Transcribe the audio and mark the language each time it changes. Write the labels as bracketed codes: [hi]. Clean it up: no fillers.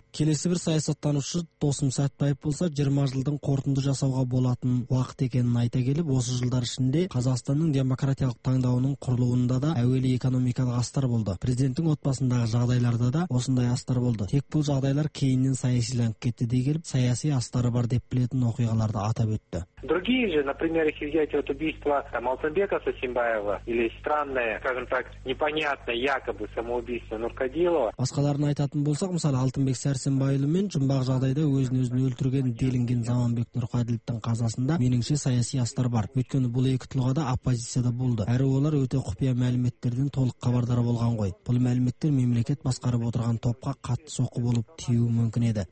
[kk] Келесі бір саясаттанушы Досым Сәтбаев болса, 20 жылдың қорытынды жасауға болатын уақыт екенін айта келіп, осы жылдар ішінде Қазақстанның демократиялық таңдауының құрылуында да әуелі экономикалық астар болды. Президенттің отбасындағы жағдайларда да осындай астар болды. Тек бұл жағдайлар кейіннен саясиленіп кетті дей келіп, саяси астары бар деп білетін оқиғаларды атап өтті. [ru] Другие же, например, если взять вот убийство там Алтынбека Сосинбаева или странное, скажем так, непонятное якобы самоубийство Нуркадилова. [kk] Басқаларын айтатын болсақ, мысалы, Алтынбек Сәрсенбайұлы мен жұмбақ жағдайда өзін-өзін өлтірген делінген Заманбек Нұрқаділовтің қазасында меніңше саяси астар бар. Өйткені бұл екі тұлға да оппозицияда болды. Әрі олар өте құпия мәліметтерден толық хабардар болған ғой. Бұл мәліметтер мемлекет басқарып отырған топқа қатты соққы болып тиюі мүмкін еді.